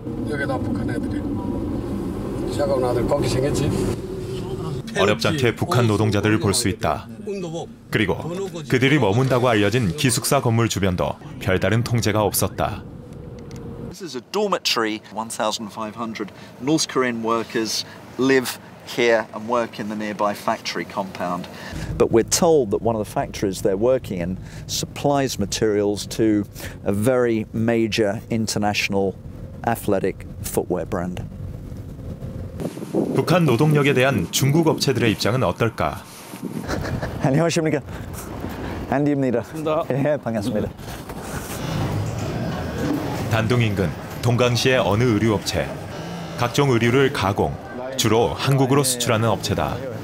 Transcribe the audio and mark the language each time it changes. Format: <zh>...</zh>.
<ko>여기다 북한 애들이. 작은 아들 거기 생겼지. 어렵지 않게 북한 노동자들을 볼 수 있다. 그리고 그들이 머문다고 알려진 기숙사 건물 주변도 별다른 통제가 없었다.</ko> <en>This is a dormitory. 1,500 North Korean workers live here and work in the nearby factory compound. But we're told that one of the factories they're working in supplies materials to a very major international athletic footwear brand.</en> <ko>북한 노동력에 대한 중국 업체들의 입장은 어떨까? 안녕하십니까, 앤디입니다. 반갑습니다. 예, 반갑습니다. 단둥 인근 동강시의 어느 의류 업체, 각종 의류를 가공, 주로 한국으로 수출하는 업체다.</ko>